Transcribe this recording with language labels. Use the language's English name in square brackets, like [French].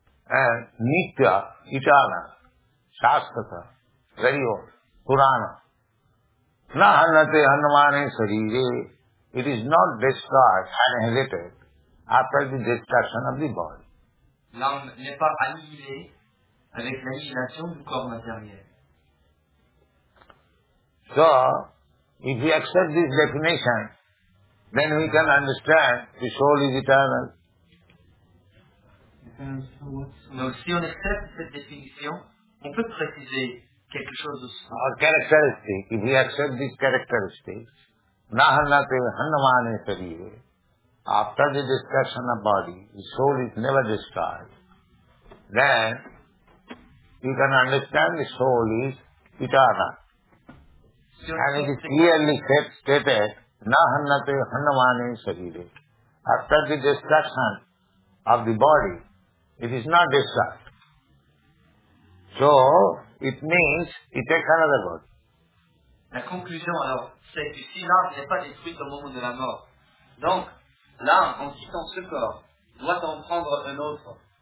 [Sanskrit] Nitya, itana, shastata, radio, purana, na hanate hanumane sarire, [English] it is not destroyed, annihilated, after the destruction of the body. [French] L'âme n'est pas annihilée avec l'annihilation du corps matériel. [English] So, if we accept this definition, then we can understand the soul is eternal. [French] Donc si on accepte cette définition, on peut préciser quelque chose de ça. [English] Our characteristic, if we accept this characteristic, [Sanskrit] nahannate hannamane sarire, [English] after the destruction of body, the soul is never destroyed, then you can understand the soul is eternal. And it is clearly stated, [Sanskrit] nahannate hannamane sarire, [English] after the destruction of the body, it is not destroyed. So, it means, it takes another body. [French] La conclusion alors, c'est que si l'âme n'est pas détruite au moment de la mort, donc l'âme, en quittant ce corps, doit en prendre un autre.